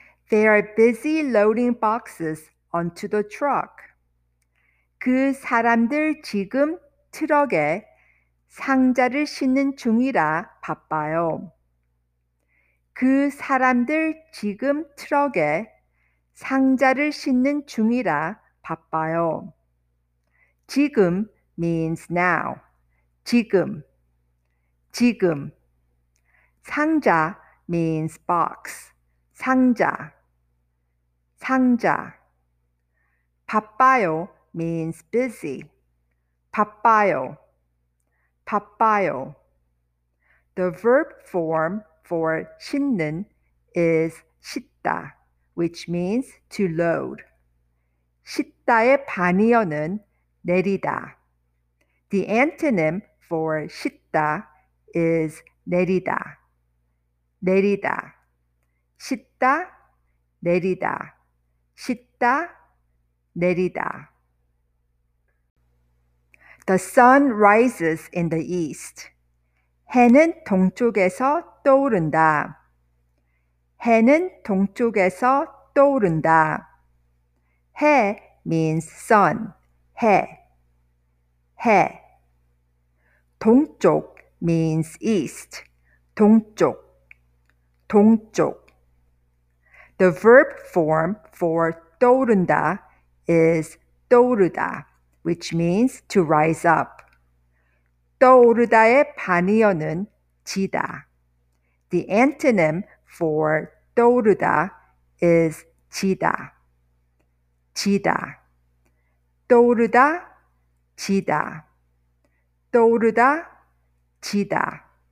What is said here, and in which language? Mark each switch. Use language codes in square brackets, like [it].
[en] They are busy loading boxes onto the truck. [ko] 그 사람들 지금 트럭에 상자를 싣는 중이라 바빠요. 그 사람들 지금 트럭에 상자를 싣는 중이라 바빠요. 지금 [en] means now. [ko] 지금, 지금. 상자 [en] means box. [ko] 상자, 상자. 바빠요 [en] means busy. [ko] 바빠요, 바빠요. [en] The verb form for 싣는 is 싣다, which means to load. [ko] 싣다의 반의어는 내리다. [en] The antonym for 싣다 is 내리다. 내리다. [ko] 싣다, 내리다. 싣다, 내리다. [en] The sun rises in the east. [ko] 해는 동쪽에서 떠오른다. 해는 동쪽에서 떠오른다. 해 [en] means sun. [ko] 해. 해. 동쪽 [en] means east. [ko] 동쪽. 동쪽. [en] The verb form for 떠오른다 is 떠오르다, which means to rise up. [ko] 떠오르다의 반의어는 지다. [en] The antonym for 떠오르다 is 지다. 지다. [ko] 떠오르다, 지다. 떠오르다, 지다.